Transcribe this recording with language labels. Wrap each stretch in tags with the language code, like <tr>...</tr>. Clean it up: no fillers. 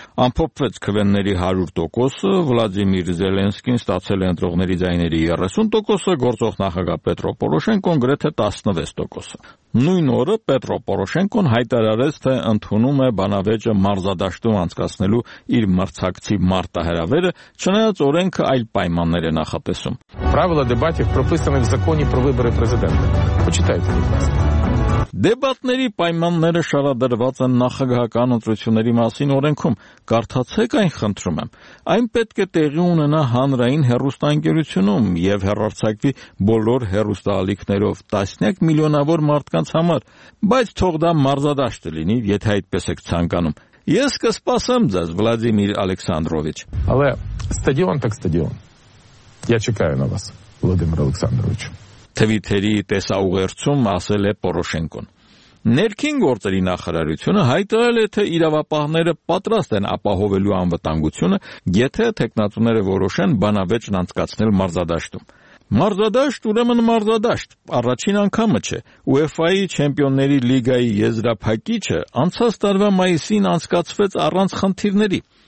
<hy>ամփոփվեց քվենների 100%-ը, Վլադիմիր Զելենսկին ստացել է ընտրողների ձայների 30%-ը, գործող նախագահ Պետրո Պորոշենկոն գրեթե 16%-ը։ Նույն օրը Պետրո Պորոշենկոն հայտարարեց, թե ընդունում է բանավեճը մարզադաշտում անցկացնելու իր մրցակցի մարտահրավերը, չնայած օրենքը այլ պայմաններ է նախատեսում։</hy> <ru>Правила дебатов прописаны в законе про выборы президента. Почитайте, пожалуйста.</ru> <hy>Դեբատների պայմանները շարադրված են նախագահական ընտրությունների մասին օրենքում, կարդացեք այն, խնդրում եմ։ Այն պետք է տեղի ունենա հանրային հեռուստաընկերությունում և հեռարձակվի բոլոր հեռուստաալիքներով տասնյակ միլիոնավոր մարդկանց համար, բայց թող դա մարզադաշտ լինի, եթե այդպես եք ցանկանում։ Ես կսպասեմ ձեզ, Վլադիմիր Ալեքսանդրովիչ։</hy> <uk>Але стадіон так стадіон. Я чекаю на вас, Володимир Олександрович.</uk> <hy>Թվիտերի տեսաուղերձում ասել է Պորոշենկոն. Ներքին գործերի նախարարությունը հայտարարել է, թե իրավապահները պատրաստ են ապահովելու անվտանգությունը, եթե թեկնածուները որոշեն բանավեճն անցկացնել մարզադաշտում։ Մարզադաշտ ուրեմն մարզադաշտ, առաջին անգամը չէ։ UEFA-ի Չեմպիոնների լիգայի եզրափակիչը անցած տարվա մայիսին անցկացվեց առանց խնդիրների։</hy>